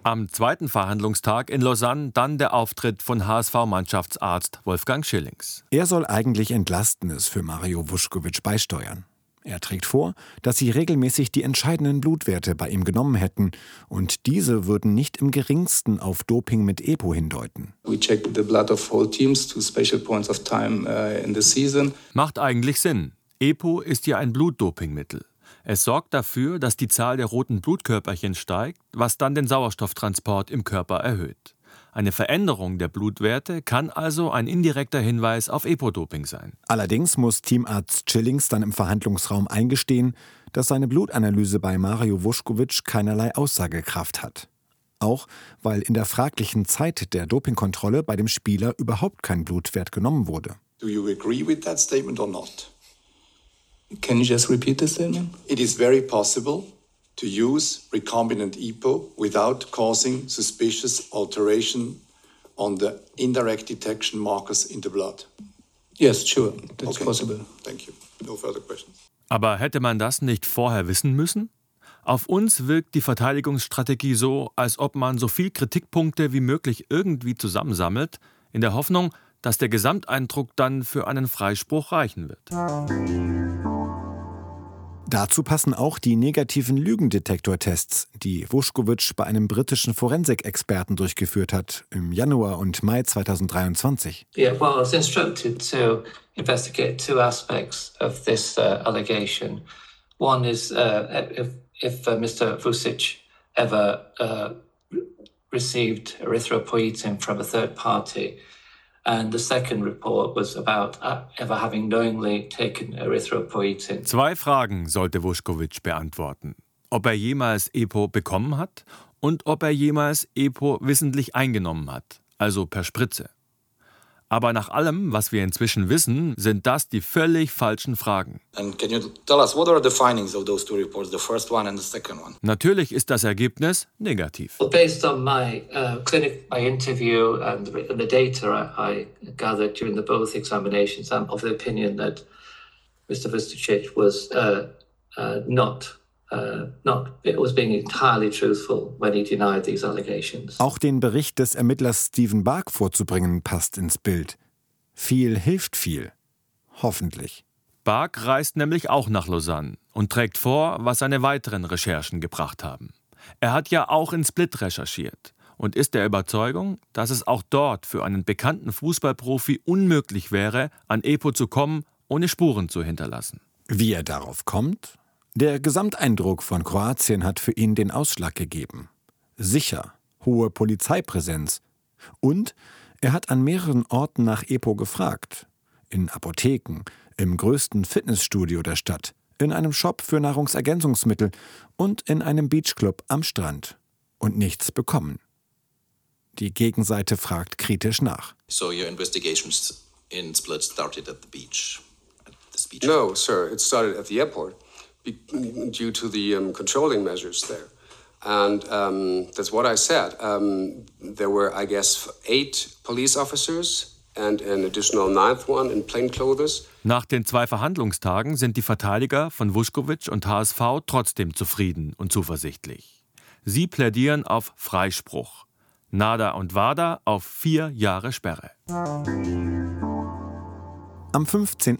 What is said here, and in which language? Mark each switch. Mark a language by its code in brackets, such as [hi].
[de] Am zweiten Verhandlungstag in Lausanne dann der Auftritt von HSV-Mannschaftsarzt Wolfgang Schillings. Er soll eigentlich Entlastendes für Mario Vuskovic beisteuern. Er trägt vor, dass sie regelmäßig die entscheidenden Blutwerte bei ihm genommen hätten und diese würden nicht im geringsten auf Doping mit EPO hindeuten. [en] We check the blood of all teams to special points of time in the season. [de] Macht eigentlich Sinn. EPO ist ja ein Blutdopingmittel. Es sorgt dafür, dass die Zahl der roten Blutkörperchen steigt, was dann den Sauerstofftransport im Körper erhöht. Eine Veränderung der Blutwerte kann also ein indirekter Hinweis auf EPO-Doping sein. Allerdings muss Teamarzt Schillings dann im Verhandlungsraum eingestehen, dass seine Blutanalyse bei Mario Vuskovic keinerlei Aussagekraft hat. Auch weil in der fraglichen Zeit der Dopingkontrolle bei dem Spieler überhaupt kein Blutwert genommen wurde. [en] Do you agree with that statement or not? Can you just repeat the statement? It is very possible to use recombinant EPO without causing suspicious alteration on the indirect detection markers in the blood. Yes, sure, that's okay. Possible. Thank you. No further questions. [de] Aber hätte man das nicht vorher wissen müssen? Auf uns wirkt die Verteidigungsstrategie so, als ob man so viel Kritikpunkte wie möglich irgendwie zusammensammelt, in der Hoffnung, dass der Gesamteindruck dann für einen Freispruch reichen wird. Dazu passen auch die negativen Lügendetektortests, die Vuskovic bei einem britischen Forensikexperten durchgeführt hat im Januar und Mai 2023. [en] Yeah, well, I was instructed to investigate two aspects of this allegation. One is if Mr. Vucic ever received erythropoietin from a third party. And the second report was about ever having knowingly taken erythropoietin. [de] Zwei Fragen sollte Vuskovic beantworten. Ob er jemals EPO bekommen hat und ob er jemals EPO wissentlich eingenommen hat, also per Spritze. Aber nach allem, was wir inzwischen wissen, sind das die völlig falschen Fragen. [en] And can you tell us what are the findings of those two reports, the first one and the second one? [de] Natürlich ist das Ergebnis negativ. [en] Well, based on my clinic, my interview and the data I gathered during the both examinations, I'm of the opinion that Mr. Vucic was it was being entirely truthful when he denied these allegations. [de] Auch den Bericht des Ermittlers Stephen Bark vorzubringen passt ins Bild. Viel hilft viel. Hoffentlich. Bark reist nämlich auch nach Lausanne und trägt vor, was seine weiteren Recherchen gebracht haben. Er hat ja auch in Split recherchiert und ist der Überzeugung, dass es auch dort für einen bekannten Fußballprofi unmöglich wäre, an EPO zu kommen, ohne Spuren zu hinterlassen. Wie er darauf kommt? Der Gesamteindruck von Kroatien hat für ihn den Ausschlag gegeben. Sicher, hohe Polizeipräsenz. Und er hat an mehreren Orten nach EPO gefragt. In Apotheken, im größten Fitnessstudio der Stadt, in einem Shop für Nahrungsergänzungsmittel und in einem Beachclub am Strand. Und nichts bekommen. Die Gegenseite fragt kritisch nach. [en] So your investigations in Split started at the beach? No, sir, it started at the airport. Due to the controlling measures there. And that's what I said. There were, I guess, 8 police officers and an additional 9th one in plain clothes. [de] Nach den zwei Verhandlungstagen sind die Verteidiger von Vuskovic und HSV trotzdem zufrieden und zuversichtlich. Sie plädieren auf Freispruch. Nada und Wada auf 4 Jahre Sperre. Am 15.